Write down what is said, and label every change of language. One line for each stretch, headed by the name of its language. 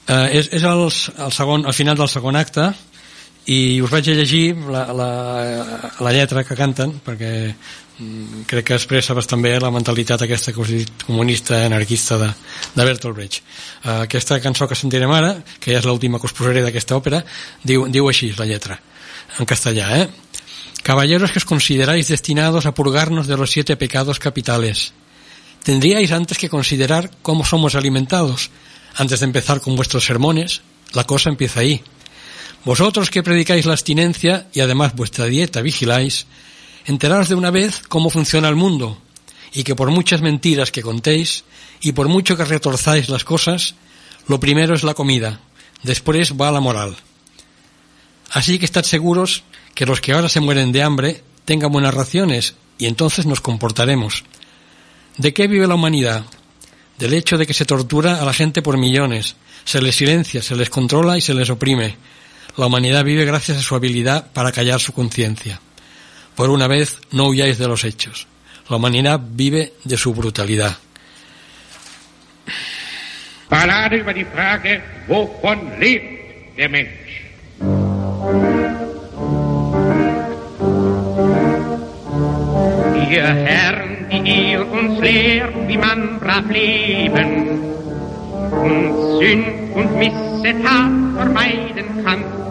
Catalan: És el final del segon acte, i us vaig a llegir la lletra que canten, perquè crec que expressa bastant bé la mentalitat aquesta que us he dit, comunista, anarquista de Bertolt Brecht. Aquesta cançó que sentirem ara, que ja és l'última que us posaré d'aquesta òpera, diu així la lletra, en castellà, eh?
Spanish: Caballeros que os consideráis destinados a purgarnos de los 7 pecados capitales, tendríais antes que considerar cómo somos alimentados. Antes de empezar con vuestros sermones, la cosa empieza ahí. Vosotros que predicáis la abstinencia y además vuestra dieta vigiláis, enteraos de una vez cómo funciona el mundo, y que por muchas mentiras que contéis y por mucho que retorzáis las cosas, lo primero es la comida, después va la moral. Así que estad seguros que los que ahora se mueren de hambre tengan buenas raciones y entonces nos comportaremos. ¿De qué vive la humanidad? Del hecho de que se tortura a la gente por millones, se les silencia, se les controla y se les oprime. La humanidad vive gracias a su habilidad para callar su conciencia. Por una vez, no huyáis de los hechos. La humanidad vive de su brutalidad.
German: Parar über die Frage, wovon lebt der Mensch? Ihr Herren, die ihr uns lehrt, wie man brav leben und Sünd und Missetat vermeiden kann.